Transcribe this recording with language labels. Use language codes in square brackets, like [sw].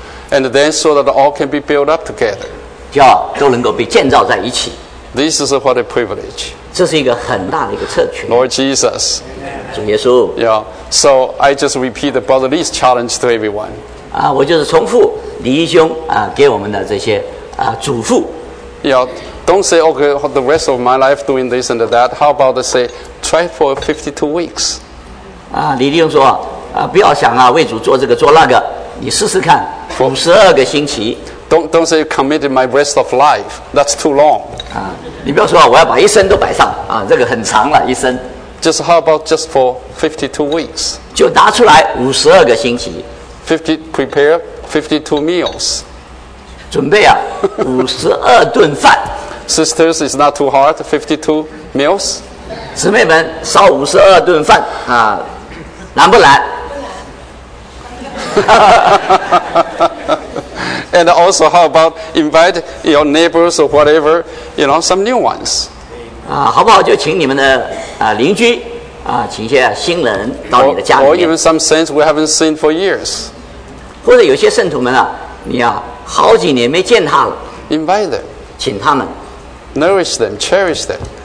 [en] And then so that all can be built up together. [zh] 叫都能够被建造在一起。 [en] This is what a privilege. [zh] 这是一个很大的一个特权。 [en] Lord Jesus. [zh] 主耶稣。 [en] Yeah. So I just repeat the Brother Lee's challenge to everyone. [zh] 我就是重复李弟兄给我们的这些嘱咐。 [en] Yeah. Don't say okay, the rest of my life doing this and that. How about to say try for 52 weeks? [zh] 李弟兄说不要想为主做这个做那个，你试试看52个星期。 [en] Don't say you committed my rest of life. That's too long. [zh] 你不要说我要把一生都摆上这个很长了一生。 [en] Just how about just for 52 weeks? [zh] 就拿出来52个星期。 [en] Prepare 52 meals. [zh] 准备52顿饭。 [en] Sisters, it's not too hard. 52 meals. [zh] 姊妹们烧52顿饭难不难？ [en] And also, how about invite your neighbors or whatever, you know, some new ones? [zh] 好不好？就请你们的邻居请一些新人到你的家里面。 [en] Or even some saints we haven't seen for years. [zh] 或者有些圣徒们你好几年没见他了。 [en] Invite them. [zh] 请他们。 [en] Nourish them, cherish them.